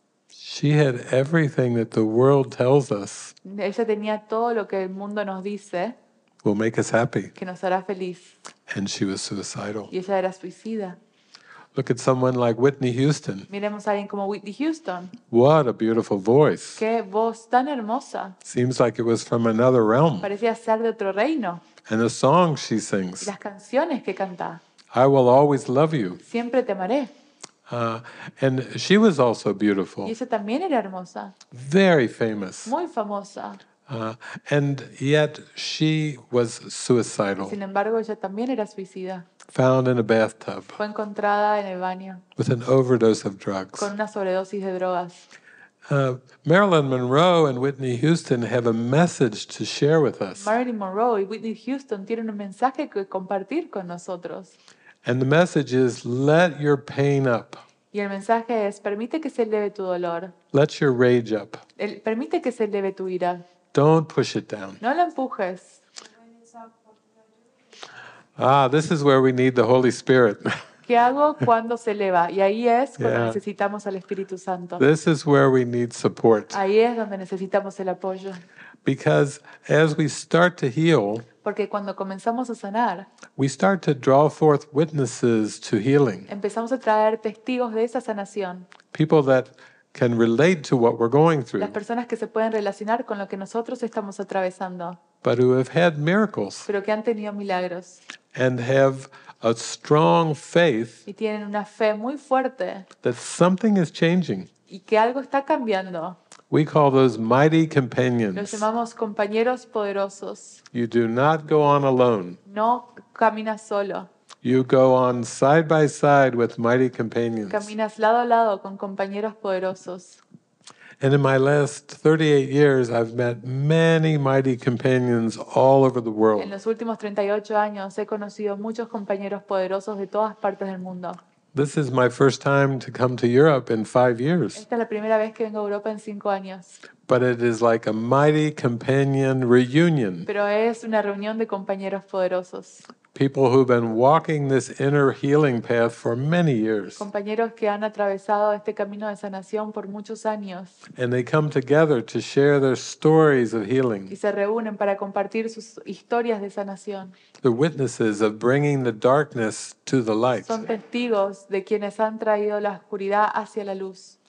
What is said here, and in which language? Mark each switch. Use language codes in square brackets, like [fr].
[en] She had everything that the world tells us. [es] Ella tenía todo lo que el mundo nos dice. [en] Will make us happy. [es] Que nos hará feliz. [en] And she was suicidal. [es] Y ella era suicida. [en] Look at someone like Whitney Houston. [es] Miremos a alguien como Whitney Houston. [en] What a beautiful voice. [es] Qué voz tan hermosa. [en] Seems like it was from another realm. [es] Parecía ser de otro reino. [en] And the song she sings. [es] Y las canciones que canta. [en] I will always love you. [es] Siempre te amaré. [en] And she was also beautiful. [es] Y ella también era hermosa. [en] Very famous. [es] Muy famosa. [en] And yet she was suicidal. [es] Sin embargo, ella también era suicida. [en] Found in a bathtub. [es] Fue encontrada en el baño. [en] With an overdose of drugs. [es] Con una sobredosis de drogas. [en] Marilyn Monroe and Whitney Houston have a message to share with us. [es] Marilyn Monroe y Whitney Houston tienen un mensaje que compartir con nosotros. [en] And the message is, let your pain up. [es] Y el mensaje es, permite que se eleve tu dolor. [en] Let your rage up. [es] Permite que se eleve tu ira. [en] Don't push it down. [es] No lo empujes. [en] Ah, this is where we need the Holy Spirit. [es] ¿Qué hago cuando se eleva? Y ahí es cuando necesitamos al Espíritu Santo. [en] This is where we need support. [es] Ahí es donde necesitamos el apoyo. [en] Because as we start to heal, [es] porque cuando comenzamos a sanar, [en] we start to draw forth witnesses to healing. [es] Empezamos a traer testigos de esa sanación. [en] People that can relate to what we're going through. [es] Las personas que se pueden relacionar con lo que nosotros estamos atravesando. [en] But who have had miracles. [es] Pero que han tenido milagros. [en] And have a strong faith. [es] Y tienen una fe muy fuerte. [en] That something is changing. [es] Y que algo está cambiando. [en] We call those mighty companions. [es] Los llamamos compañeros poderosos. [en] You do not go on alone. [es] No caminas solo. [en] You go on side by side with mighty companions. [es] Caminas lado a lado con compañeros poderosos. [en] And in my last 38 years, I've met many mighty companions all over the world. [es] En los últimos 38 años he conocido muchos compañeros poderosos de todas partes del mundo. [en] This is my first time to come to Europe in 5 years. [es] Esta es la primera vez que vengo a Europa en 5 años. [en] But it is like a mighty companion reunion. [es] Pero es una reunión de compañeros poderosos. [en] People who've been walking this inner healing path for many years. [es] Compañeros que han atravesado este camino de sanación por muchos años. [en] And they come together to share their stories of healing. [es] Y se reúnen para compartir sus historias de sanación. [en] The witnesses of bringing the darkness to the light. [es] Son testigos de quienes han traído la oscuridad hacia la luz.